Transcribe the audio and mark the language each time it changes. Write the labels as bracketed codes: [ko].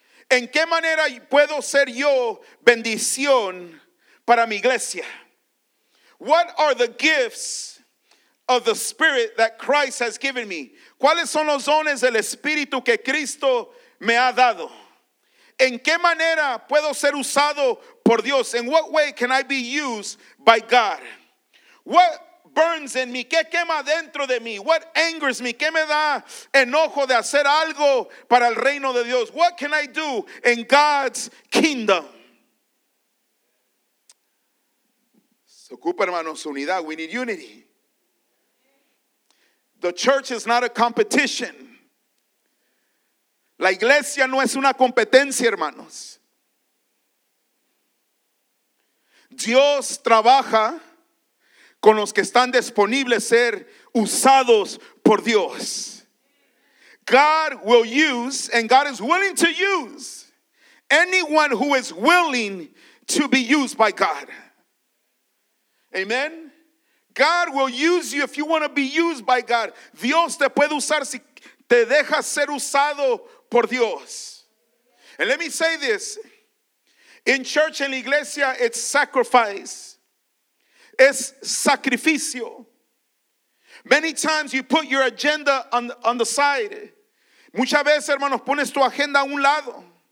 [es] ¿En qué manera puedo ser yo bendición para mi iglesia? [en] What are the gifts of the Spirit that Christ has given me? [es] ¿Cuáles son los dones del Espíritu que Cristo me ha dado? ¿En qué manera puedo ser usado por Dios? [en] In what way can I be used by God? What burns in me? [es] ¿Qué quema dentro de mí? [en] What angers me? [es] ¿Qué me da enojo de hacer algo para el reino de Dios? [en] What can I do in God's kingdom? [es] Se ocupa, hermanos, unidad. [en] We need unity. The church is not a competition. [es] La iglesia no es una competencia, hermanos. Dios trabaja con los que están disponibles ser usados por Dios. [en] God will use and God is willing to use anyone who is willing to be used by God. Amen. God will use you if you want to be used by God. [es] Dios te puede usar si te dejas ser usado por Dios. [en] And let me say this. In church, [es] en la iglesia, [en] it's sacrifice. [es] Es sacrificio. [en] Many times you put your agenda on the side. [es] Muchas veces, hermanos, pones tu agenda a un lado.